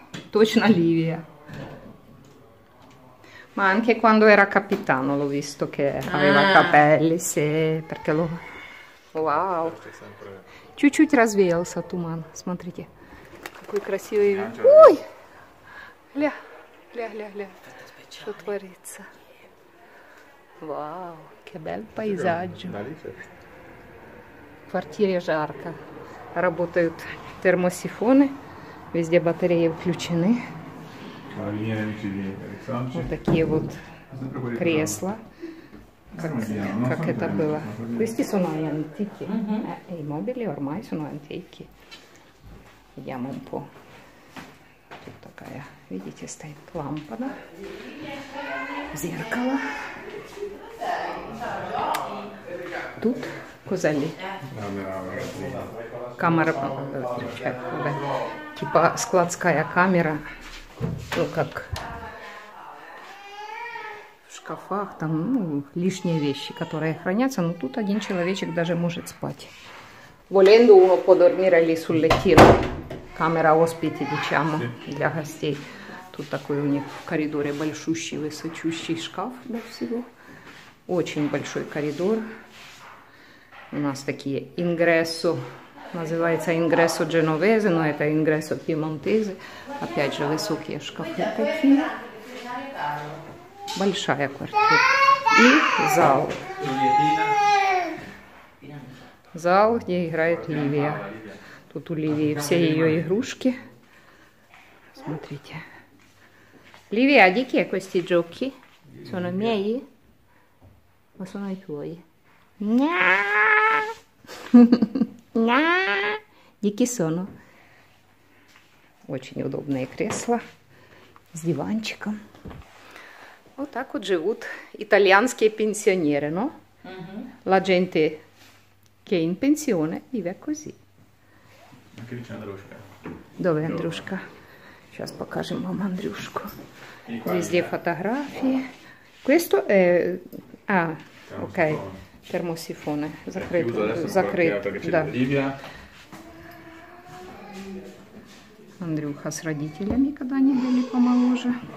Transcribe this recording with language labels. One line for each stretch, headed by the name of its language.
Russian: Точно Livia.
Italian: Ma anche quando era capitano l'ho visto che aveva capelli, sì, perché lo... Wow.
Russian: Чуть-чуть развеялся туман, смотрите. Какой красивый вид. Ой! Гля, гля, гля, гля. Что творится?
Italian: Wow, che bel paesaggio. Quartiere
Russian: жарко. Работают термосифоны. Везде батареи включены. Вот такие вот кресла. Как это было?
Italian: Questi sono antichi. E i mobili ormai sono antichi. Vediamo un po'.
Russian: Тут такая, видите, стоит лампада. Зеркало. Тут
Italian: cos'è lì?
Russian: Камера, cioè, типа складская камера, ну как в шкафах, там, ну, лишние вещи, которые хранятся, но тут один человечек даже может спать.
Italian: Volendo uno può dormire lì sul lettino.
Russian: Камера
Italian: ospiti, diciamo,
Russian: для гостей. Тут такой у них в коридоре большущий, высочущий шкаф для всего. Очень большой коридор. У нас такие ingresso, называется
Italian: ingresso genovese,
Russian: но это
Italian: ingresso piemontese.
Russian: Опять же, высокие шкафы такие. Большая квартира. И зал. Зал, где играет Ливия. Тут у Ливии все ее игрушки. Смотрите. Ливия, а какие эти игрушки?
Italian: Sono miei? Ma sono i tuoi. Gna! Gna! Di chi sono?
Russian: Очень удобные кресла с диванчиком. Вот так вот живут итальянские пенсионеры,
Italian: no? La gente che in pensione vive così. Anche lì c'è Андрюшка. Dove Андрюшка?
Russian: Сейчас покажем вам Андрюшку. Везде фотографии.
Italian: Questo è...
Russian: Ok,
Italian: termosifone,
Russian: закрыто, закрыто, да. Андрюха с родителями, когда они были помоложе.